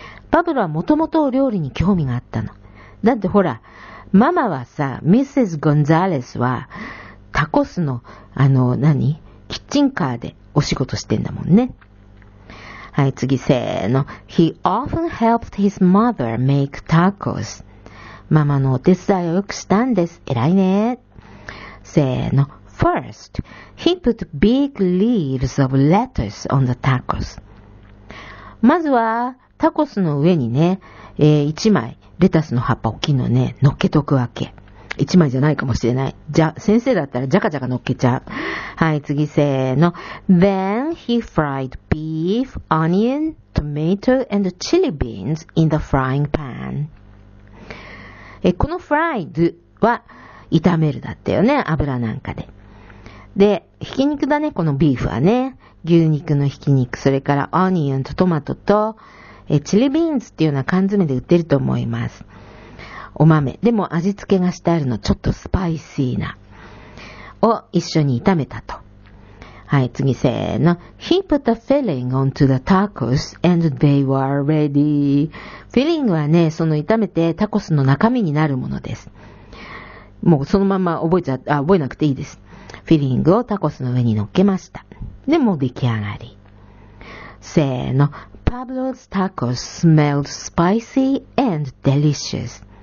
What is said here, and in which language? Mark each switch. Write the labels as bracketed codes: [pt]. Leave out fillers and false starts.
[ja] パブロはもともとお料理に興味があったの。だってほら、ママはさ、ミセス・ゴンザレスは、タコスの、何？キッチンカーでお仕事してんだもんね。はい、次、せーの。 [en] He often helped his mother make tacos。 [ja] ママのお手伝いをよくしたんです。偉いね。せーの。 [en] First, he put big leaves of lettuce on the tacos。 [ja] まずは、タコスの上にね、一枚、レタスの葉っぱ大きいのね、乗っけとくわけ。一枚じゃないかもしれない。先生だったらじゃかじゃか乗っけちゃう。はい、次、せーの。 [en] Then he fried beef, onion, tomato, and chili beans in the frying pan。 [ja] この fried は、炒めるだったよね、油なんかで。で、ひき肉だね、このビーフはね。牛肉のひき肉、それからオニオンとトマトと、チリビーンズっていうような缶詰で売ってると思います。お豆。でも味付けがしてあるの、ちょっとスパイシーな。を一緒に炒めたと。はい、次、せーの。 [en] He put a filling onto the tacos and they were ready。 [ja] フィリングはね、その炒めてタコスの中身になるものです。もうそのまま覚えなくていいです。フィリングをタコスの上に乗っけました。で、もう出来上がり。せーの。 [en] Pablo's tacos smelled spicy and delicious。